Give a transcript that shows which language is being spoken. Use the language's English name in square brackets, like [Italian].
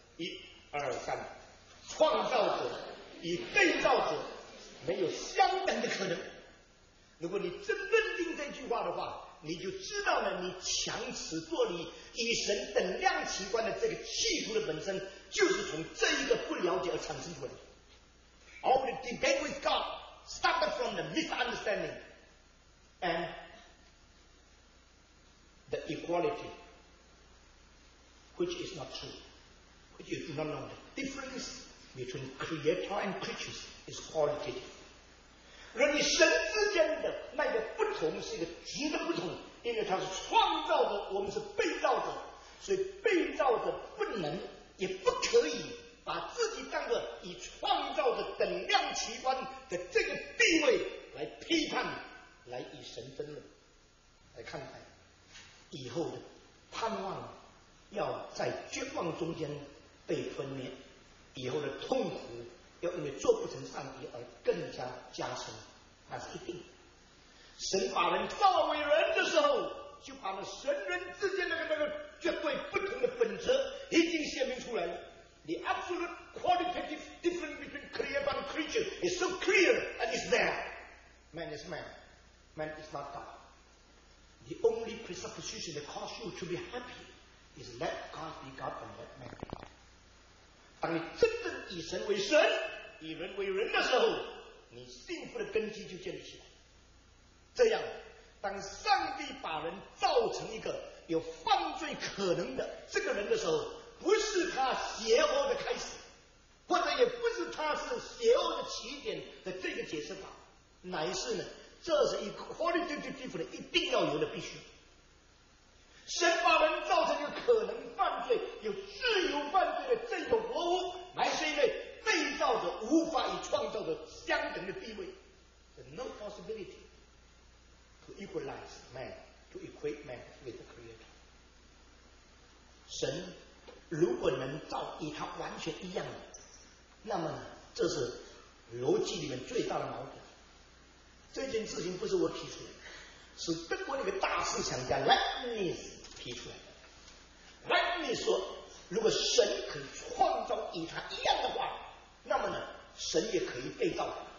[Chinese] 一二三，创造者与被造者没有相等的可能。如果你真认定这句话的话，你就知道了，你强词夺理以神等量齐观的这个企图的本身，就是从这一个不了解而产生出来的。 [English] All the debate with God started from the misunderstanding and the equality which is not true, which is not known. The difference between creator and creatures is qualitative。 [Chinese] 人与神之间的那个不同是一个质的不同，因为他是创造者，我们是被造者，所以被造者不能也不可以把自己当作以创造者等量齐观的这个地位来批判，来与神争论。来看看以后的盼望要在绝望中间被吞灭，以后的痛苦要因为做不成上帝而更加加深，那是一定。神把人造为人的时候，就把那神人之间的那个绝对不同的本质已经显明出来了。 [English] The absolute qualitative difference between creator and creature is so clear and is there. Man is man, man is not God. The only presupposition that causes you to be happy is let God be God and let man be God. [Chinese] 当你真正以神为神，以人为人的时候，你幸福的根基就建立起来。这样，当上帝把人造成一个有犯罪可能的这个人的时候，不是他邪恶的开始，或者也不是他是邪恶的起点的这个解释法，乃是呢，这是一个 qualitative difference 一定要有的必须。神把人造成有可能犯罪、有自由犯罪的这种活物，乃是因为被造者无法与创造者相等的地位。 [English] The no possibility to equalize man, to equate man with the creator. [Chinese] 神如果能造与他完全一样，那么这是逻辑里面最大的矛盾。这件事情不是我提出的，是德国那个大思想家莱布尼茨提出来的。以说，如果神可以创造与他一样的话，那么呢，神也可以被造。